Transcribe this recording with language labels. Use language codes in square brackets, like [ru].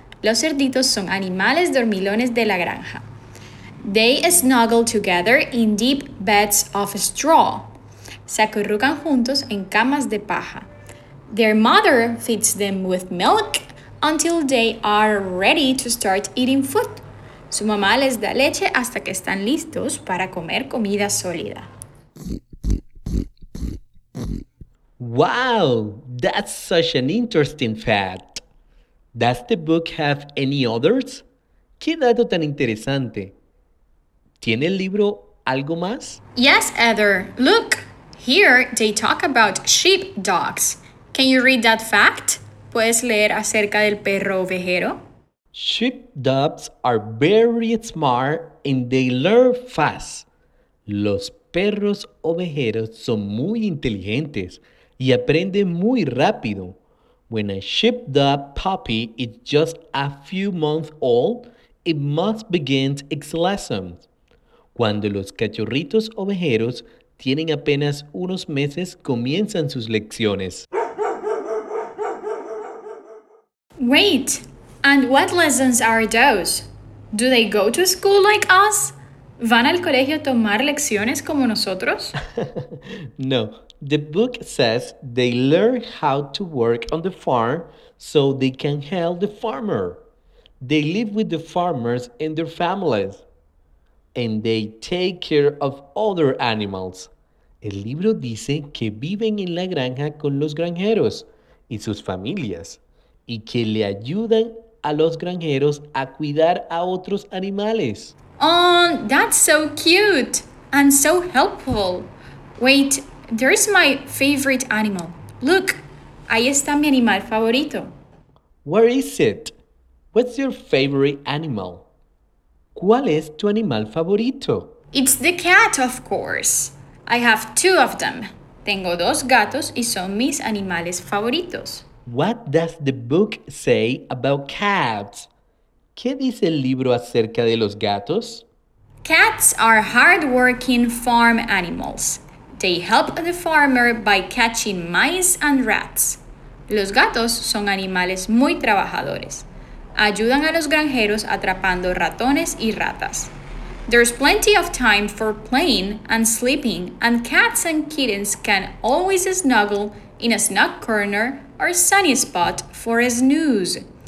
[es] Los cerditos son animales dormilones de la granja. [en] They snuggle together in deep beds of straw. [es] Se acurrucan juntos en camas de paja. [en] Their mother feeds them with milk until they are ready to start eating food. [es] Su mamá les da leche hasta que están listos para comer comida sólida. [en] Wow, that's such an interesting fact. Does the book have any others? [es] ¿Qué dato tan interesante? ¿Tiene el libro algo más? [en] Yes, Heather. Look, here they talk about sheep dogs. Can you read that fact? [es] ¿Puedes leer acerca del perro ovejero? [en] Sheep dogs are very smart and they learn fast. [es] Los perros ovejeros son muy inteligentes y aprende muy rápido. [en] When a sheepdog puppy is just a few months old, it must begin its lessons. [es] Cuando los cachorritos ovejeros tienen apenas unos meses, comienzan sus lecciones. [en] Wait, and what lessons are those? Do they go to school like us? [es] ¿Van al colegio a tomar lecciones como nosotros? [en] No. The book says they learn how to work on the farm so they can help the farmer. They live with the farmers and their families. And they take care of other animals. [es] El libro dice que viven en la granja con los granjeros y sus familias. Y que le ayudan a los granjeros a cuidar a otros animales. [en] Oh, that's so cute and so helpful. Wait, there's my favorite animal. Look, [es] ahí está mi animal favorito. [en] Where is it? What's your favorite animal? [es] ¿Cuál es tu animal favorito? [en] It's the cat, of course. I have two of them. [es] Tengo dos gatos y son mis animales favoritos. [en] What does the book say about cats? [es] ¿Qué dice el libro acerca de los gatos? [en] Cats are hardworking farm animals. They help the farmer by catching mice and rats. [es] Los gatos son animales muy trabajadores. Ayudan a los granjeros atrapando ratones y ratas. [en] There's plenty of time for playing and sleeping, and cats and kittens can always snuggle in a snug corner or sunny spot for a snooze.